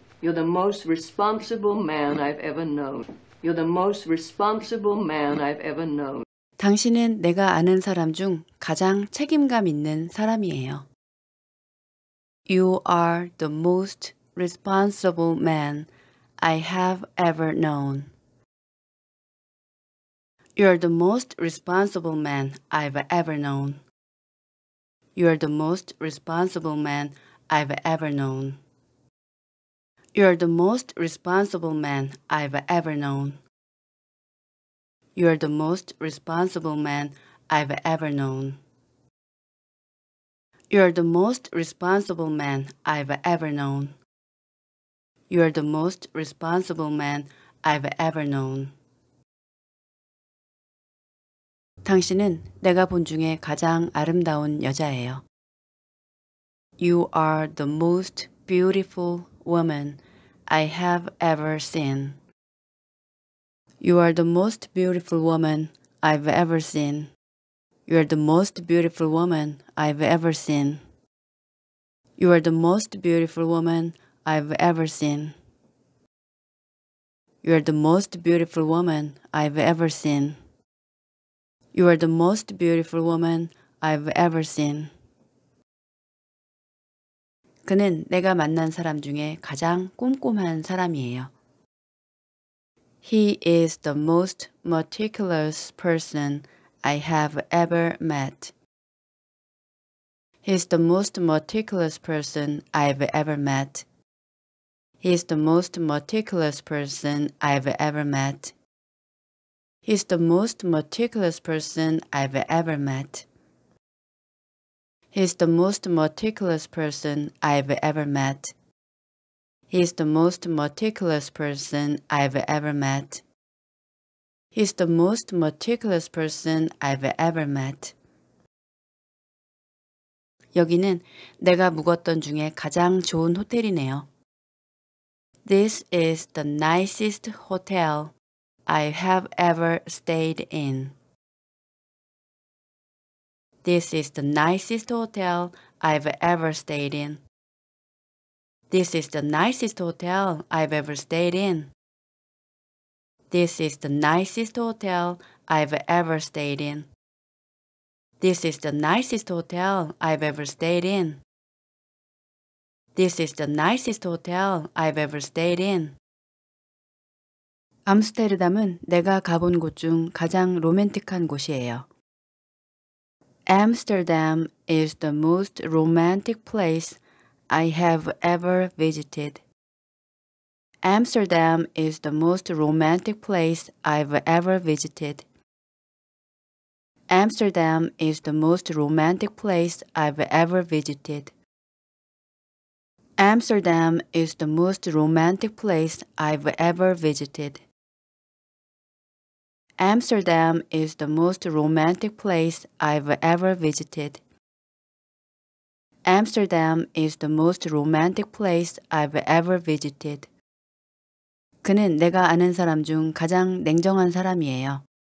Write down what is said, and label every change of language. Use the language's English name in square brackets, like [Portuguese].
[English] You're the most responsible man I've ever known. You're the most responsible man I've ever known. [Korean] 당신은 내가 아는 사람 중 가장 책임감 있는 사람이에요. [English] You are the most responsible man I have ever known. You're the most responsible man I've ever known. You're the most responsible man I've ever known. You're the most responsible man I've ever known. You're the most responsible man I've ever known. You're the most responsible man I've ever known. You're the most responsible man I've ever known. [Korean] 당신은 내가 본 중에 가장 아름다운 여자예요. [English] You are the most beautiful woman I have ever seen. You are the most beautiful woman I've ever seen. You are the most beautiful woman I've ever seen. You are the most beautiful woman I've ever seen. You are the most beautiful woman I've ever seen. You are the most beautiful woman I've ever seen. [Korean] 그는 내가 만난 사람 중에 가장 꼼꼼한 사람이에요. [English] He is the most meticulous person I have ever met. He is the most meticulous person I've ever met. He is the most meticulous person I've ever met. He's the most meticulous person I've ever met. He's the most meticulous person I've ever met. He's the most meticulous person I've ever met. He's the most meticulous person I've ever met. [Korean] 여기는 내가 묵었던 중에 가장 좋은 호텔이네요. [English] This is the nicest hotel I have ever stayed in. This is the nicest hotel I've ever stayed in. This is the nicest hotel I've ever stayed in. This is the nicest hotel I've ever stayed in. This is the nicest hotel I've ever stayed in. This is the nicest hotel I've ever stayed in. [Korean] 암스테르담은 내가 가본 곳 중 가장 로맨틱한 곳이에요. [English] Amsterdam is the most romantic place I have ever visited. Amsterdam is the most romantic place I've ever visited. Amsterdam is the most romantic place I've ever visited. Amsterdam is the most romantic place I've ever visited. Amsterdam is the most romantic place I've ever visited. Amsterdam is the most romantic place I've ever visited. [Korean] 그는 내가 아는 사람 중 가장 냉정한 사람이에요.